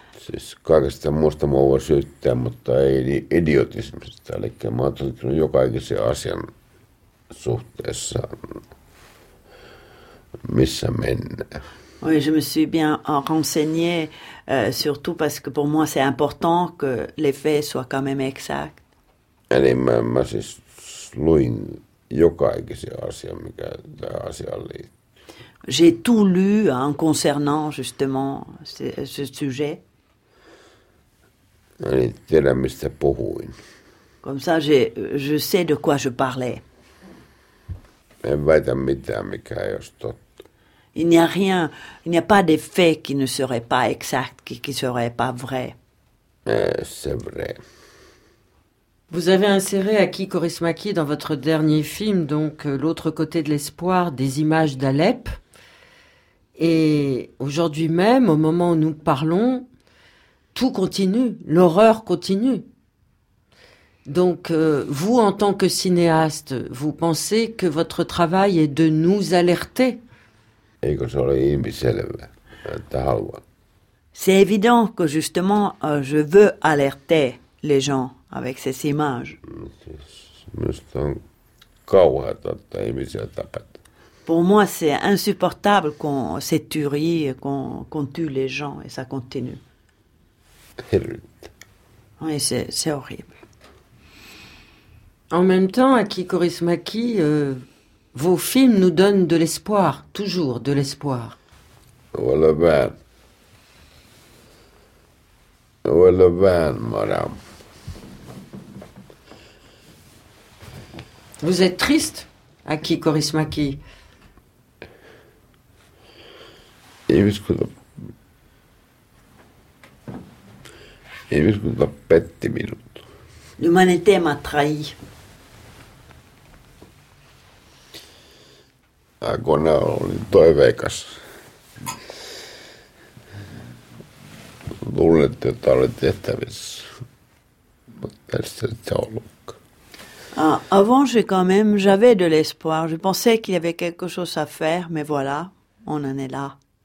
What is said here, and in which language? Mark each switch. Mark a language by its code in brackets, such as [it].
[fi] Siis kaikesta muusta mua voi syyttää, mutta ei idiotismista. Eli mä oon tutkinut jokaisen asian suhteessa, missä mennään. [fr] Oui, je me suis bien renseigné, surtout parce que pour moi c'est important que les faits soient quand même exacts. [fi] Eli mä siis luin jokaisen asian, mikä tähän asiaan liittyy. [fr] J'ai tout lu en concernant justement ce sujet. [fi] Eli tiedän, mistä puhuin. [fr] Comme ça, je sais de quoi je parlais. [fi] En väitä mitään, mikä ei olisi totta. [fr] Il n'y a rien, il n'y a pas des faits qui ne seraient pas exacts, qui seraient pas vrais. C'est vrai. Vous avez inséré Aki Kaurismäki dans votre dernier film, donc L'autre côté de l'espoir, des images d'Alep. Et aujourd'hui même, au moment où nous parlons, tout continue, l'horreur continue. Donc, vous, en tant que cinéaste, vous pensez que votre travail est de nous alerter ? [fi] Eikö se ole ilmiselvä, että haluan. [fr] C'est évident que, justement, je veux alerter les gens avec ces images. [fi] Minusta on kauheata, että ihmisiä tapetaan. [fr] Pour moi, c'est insupportable qu'on s'est tué, qu'on tue les gens et ça continue. Oui, c'est horrible. En même temps, Aki Kaurismäki, vos films nous donnent de l'espoir, toujours de l'espoir. Voilà bien. Voilà bien, madame. Vous êtes triste, Aki Kaurismäki? [fi] Ihmiskunta petti minut. [fr] L'humanité m'a trahi. [fi] Agona oli toiveikas. Luulettiin, että olin tehtävissä. Mutta ei sitä ollutkaan. [fr] Avant, j'ai quand même, j'avais de l'espoir. Je pensais qu'il y avait quelque chose à faire, mais voilà, on en est là.